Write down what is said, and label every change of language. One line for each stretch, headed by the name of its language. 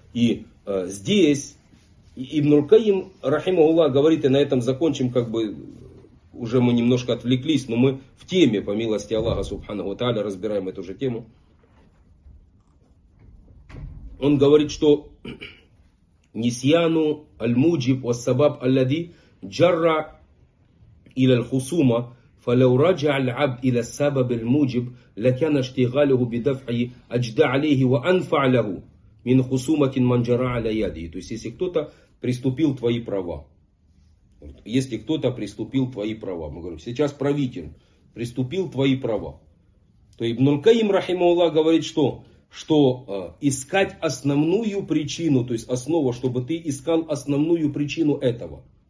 Russian: И здесь Ибн Аль-Каим, рахимахуллах, говорит, и на этом закончим, как бы уже мы немножко отвлеклись, но мы в теме, по милости Аллаха, субханаху тааля, разбираем эту же тему. Он говорит, что
Arabic: «Нисьяну аль-муджиб вассабаб аль-лади джарра иля аль-хусума». فلو رجع العبد الى السبب الموجب لكان اشتغاله بدفع اجدى عليه وانفع له من خصومه من جرى على يده.
Russian: То есть если кто-то приступил твои права. Если кто-то приступил твои права, мы говорим, сейчас правитель приступил твои права. То Ибн аль-Каим рахимахуллах говорит, что искать основную причину, то есть основа, чтобы ты искал основную причину этого.